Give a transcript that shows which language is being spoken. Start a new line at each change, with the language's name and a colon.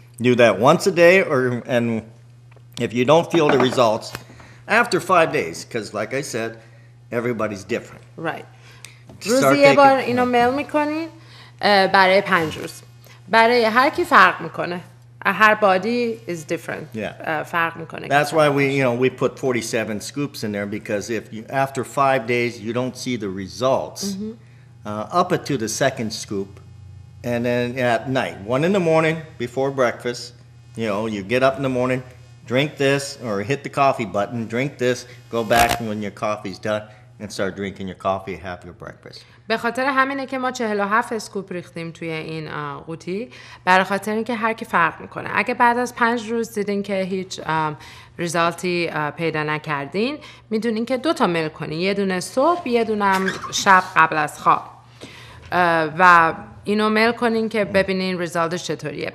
English: Do that once a day and if you don't feel the results after 5 days, because like I said, everybody's different. Right.
Persian: روزی یه بار اینو میل میکنید برای 5 روز. برای هر کی فرق میکنه.
English: Her body is different. Yeah. That's why we put 47 scoops in there, because if you, after 5 days you don't see the results, mm-hmm. Up it to the second scoop, and then at night, 1 a.m, before breakfast, you get up in the morning, drink this, or hit the coffee button, drink this, go back when your coffee's done, and start drinking your coffee, have your breakfast.
Persian: به خاطر همینه که ما 47 اسکوپ ریختیم توی این قوطی، برای خاطر اینکه هر کی فرق میکنه. اگه بعد از 5 روز دیدین که هیچ ریزالتی پیدا نکردین، میدونین که دوتا میل کنین، یه دونه صبح یه دونه شب قبل از خواب، و اینو میل کنین که ببینین ریزالتش چطوریه.